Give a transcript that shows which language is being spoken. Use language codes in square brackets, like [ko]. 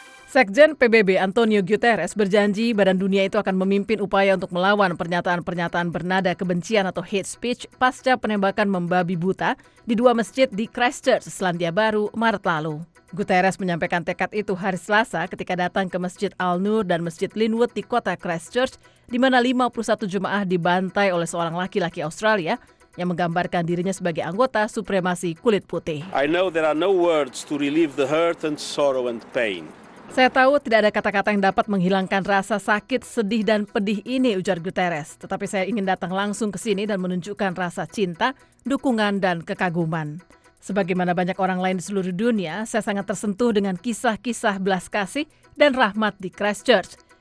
[id] Sekjen PBB Antonio Guterres berjanji Badan Dunia itu akan memimpin upaya untuk melawan pernyataan-pernyataan bernada kebencian atau hate speech pasca penembakan membabi buta di dua masjid di Christchurch, Selandia Baru, Maret lalu. Guterres menyampaikan tekad itu hari Selasa ketika datang ke Masjid Al-Nur dan Masjid Linwood di kota Christchurch, di mana 51 jemaah dibantai oleh seorang laki-laki Australia yang menggambarkan dirinya sebagai anggota supremasi kulit putih. [en] I know there are no words to relieve the hurt and sorrow and pain. [id] Saya tahu tidak ada kata-kata yang dapat menghilangkan rasa sakit, sedih, dan pedih ini, ujar Guterres. Tetapi saya ingin datang langsung ke sini dan menunjukkan rasa cinta, dukungan, dan kekaguman. Sebagaimana banyak orang lain di seluruh dunia, saya sangat tersentuh dengan kisah-kisah belas kasih dan rahmat di Christchurch.